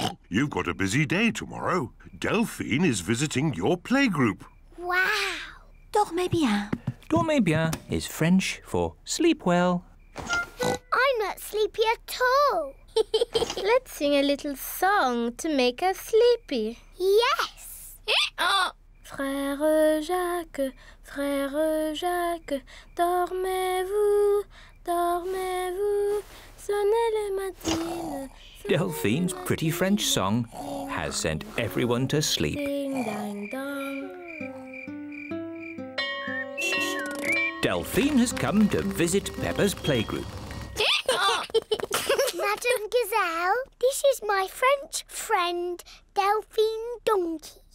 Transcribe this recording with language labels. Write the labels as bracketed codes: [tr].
[en] You've got a busy day tomorrow. Delphine is visiting your playgroup. Wow. [fr] Dormez bien. Dormez bien [en] is French for sleep well. I'm not sleepy at all. Let's sing a little song to make us sleepy. Yes! [fr] Frère Jacques, Frère Jacques, dormez-vous, dormez-vous, sonnez le matin. [en] Delphine's pretty French song has sent everyone to sleep. Ding, dang, dong. Delphine has come to visit Peppa's playgroup. Madame Gazelle, this is my French friend, Delphine Donkey.